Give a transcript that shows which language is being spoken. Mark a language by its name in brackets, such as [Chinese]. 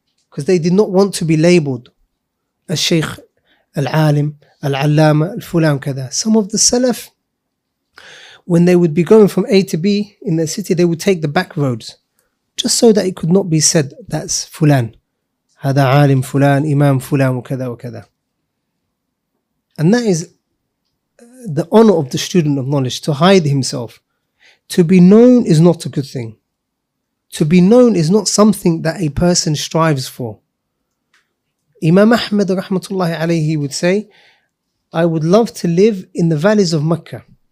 [English] Because they did not want to be labeled as Shaykh, Al-Alim, Al-Allama, Al-Fulam, kada. Some of the Salaf, when they would be going from A to B in the city, they would take the back roads, just so that it could not be said, that's Fulan. [Arabic] هذا عالم فلان, Imam فلان, وكذا وكذا. [English] And that is the honor of the student of knowledge, to hide himself. To be known is not a good thing. To be known is not something that a person strives for. Imam Ahmad rahmatullahi alayhi would say, I would love to live in the valleys of Mecca.